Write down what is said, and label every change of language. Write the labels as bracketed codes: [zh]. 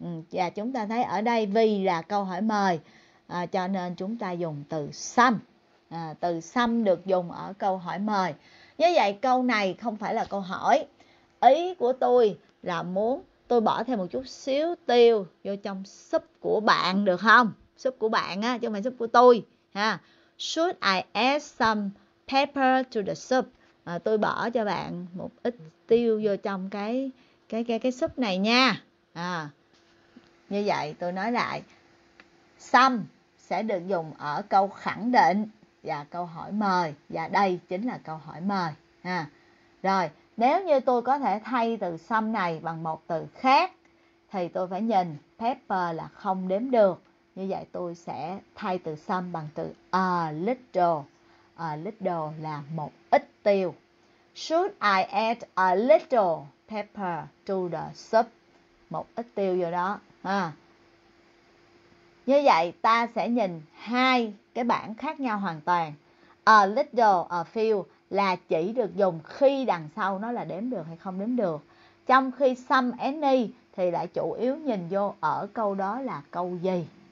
[vi] Và chúng ta thấy ở đây vì là câu hỏi mời, cho nên chúng ta dùng từ some. Từ some được dùng ở câu hỏi mời. Như vậy câu này không phải là câu hỏi. Ý của tôi là muốn tôi bỏ thêm một chút xíu tiêu vô trong súp của bạn được không? Súp của bạn á, chứ không phải súp của tôi ha. [en] Should I add some pepper to the soup? [vi] Tôi bỏ cho bạn một ít tiêu vô trong cái súp này nha. Như vậy tôi nói lại, some sẽ được dùng ở câu khẳng định và câu hỏi mời, và đây chính là câu hỏi mời ha. Rồi, nếu như tôi có thể thay từ some này bằng một từ khác thì tôi phải nhìn pepper là không đếm được. Như vậy tôi sẽ thay từ some bằng từ a little. A little là một ít tiêu. [en] Should I add a little pepper to the soup? [vi] Một ít tiêu vô đó ha. Như vậy ta sẽ nhìn hai cái bảng khác nhau hoàn toàn. A little, a few là chỉ được dùng khi đằng sau nó là đếm được hay không đếm được. Trong khi some, any thì lại chủ yếu nhìn vô ở câu đó là câu gì.